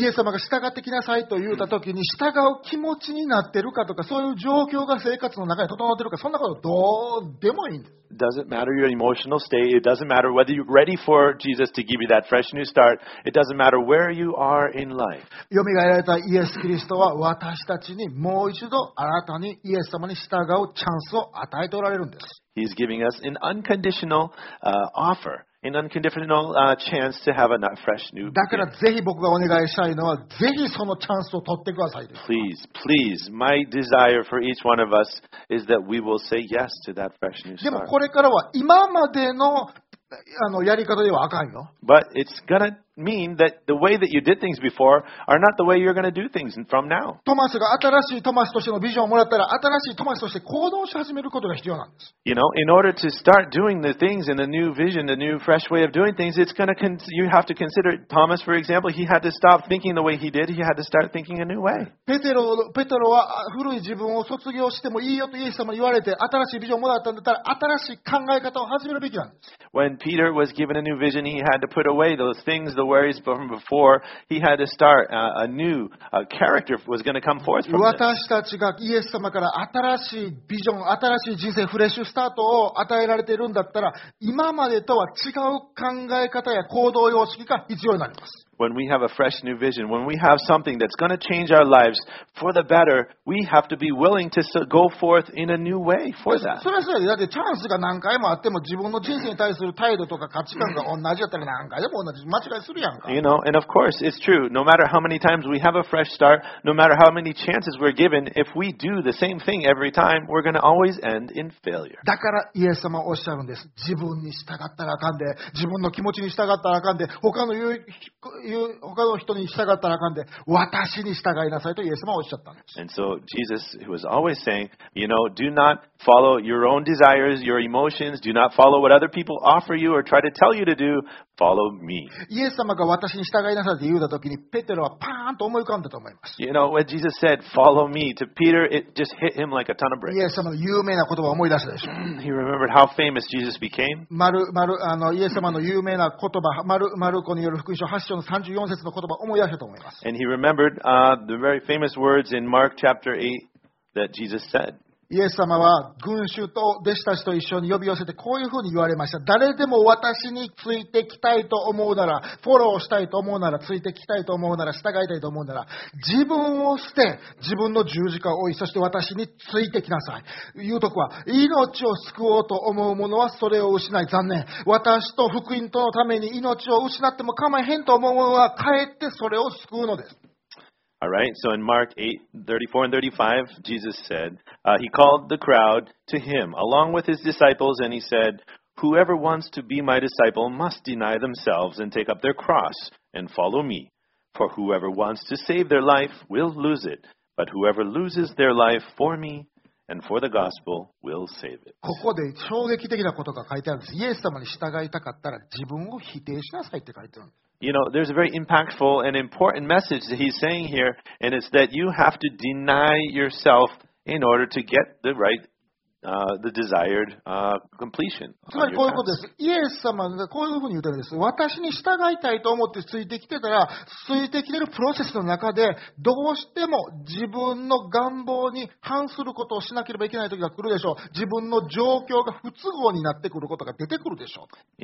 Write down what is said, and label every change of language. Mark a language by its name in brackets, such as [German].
[Japanese] イエス様が従ってきなさいと言った時に従う気持ちになってるかとか、そういう状況が生活の中に整ってるか、そんなことどうでもいいんです。 [English] Doesn't matter your emotional state. It doesn't matter whether you're ready for Jesus to give you that fresh new start. It doesn't matter where you are in life. [Japanese] よみがえられたイエス・キリストは私たちにもう一度新たにイエス様に従うチャンスを与えておられるんです。 [English] He's giving us an unconditional offer, an unconditional chance to have a fresh new [Japanese] start. だからぜひ僕がお願いしたいのは、ぜひそのチャンスを取ってください。 [English] Please, please, my desire for each one of us is that we will say yes to that fresh new start. [Japanese] でもこれからは今までの、やり方ではあかんよ。 [English] But it's gonna mean that the way that you did things before are not the way you're gonna do things from now. [Japanese] トマスが新しいトマスとしてのビジョンをもらったら、新しいトマスとして行動し始めることが必要なんです。 [English] You know, in order to start doing the things in a new vision, a new fresh way of doing things, it's gonna you have to consider Thomas, for example, he had to stop thinking the way he did. He had to start thinking a new way. [Japanese] ペテロは古い自分を卒業してもいいよとイエス様に言われて、新しいビジョンをもらったんだったら、新しい考え方を始めるべきなんです。 [English] When Peter was given a new vision, he had to put away those things, the worries from before. He had to start a new character was going to come forth from this. [Japanese] 私たちがイエス様から新しいビジョン、新しい人生、フレッシュスタートを与えられているんだったら、今までとは違う考え方や行動様式が必要になります。 [English] When we have a fresh new vision, when we have something that's going to change our lives for the better, we have to be willing to go forth in a new way for that. [Japanese] それはそうです。だってチャンスが何回もあっても、自分の人生に対する態度とか価値観が同じだったら何回でも同じ、間違いするやんか。 [English] You know, and of course, it's true. No matter how many times we have a fresh start, no matter how many chances we're given, if we do the same thing every time, we're going to always end in failure. [Japanese] だからイエス様おっしゃるんです。自分に従ったらあかんで、自分の気持ちに従ったらあかんで、他の他の人に従ったらあかんで、私に従いなさいとイエス様はおっしゃったんです。 [English] And so Jesus was always saying, you know, do not follow your own desires, your emotions. Do not follow what other people offer you or try to tell you to do. Follow me. [Japanese] イエス様が私に従いなさいと言ったときに、ペテロはパーンと思い浮かんだと思います。 [English] You know, when Jesus said, follow me to Peter, it just hit him like a ton of bricks. [Japanese] イエス様の有名な言葉を思い出したでしょ。 [English] He remembered how famous Jesus became. [Japanese] イエス様の有名な言葉、マルコによる福音書8章の34節の言葉を思い出したと思います。 [English] And he remembered the very famous words in Mark chapter 8 that Jesus said. [Japanese] イエス様は群衆と弟子たちと一緒に呼び寄せて、こういうふうに言われました。誰でも私についてきたいと思うなら、フォローしたいと思うなら、ついてきたいと思うなら、従いたいと思うなら、自分を捨て、自分の十字架を追い、そして私についてきなさい。言うとこは、命を救おうと思う者はそれを失い、残念。私と福音とのために命を失っても構えへんと思う者は、かえってそれを救うのです。 [English] All right, so in Mark 8, 34 and 35, Jesus said, he called the crowd to him, along with his disciples, and he said, whoever wants to be my disciple must deny themselves and take up their cross and follow me. For whoever wants to save their life will lose it, but whoever loses their life for me and for the gospel will save it. [Japanese] ここで衝撃的なことが書いてあるんです。イエス様に従いたかったら自分を否定しなさいって書いてあるんです。 [English] You know, there's a very impactful and important message that he's saying here, and it's that you have to deny yourself in order to get the right, the desired completion. [Japanese] つまりこういうことです。イエス様がこういうふうに言ってるんです。私に従いたいと思ってついてきてたら、ついてきてるプロセスの中で、どうしても自分の願望に反することをしなければいけない時が来るでしょう。自分の状況が不都合になってくることが出てくるでしょう。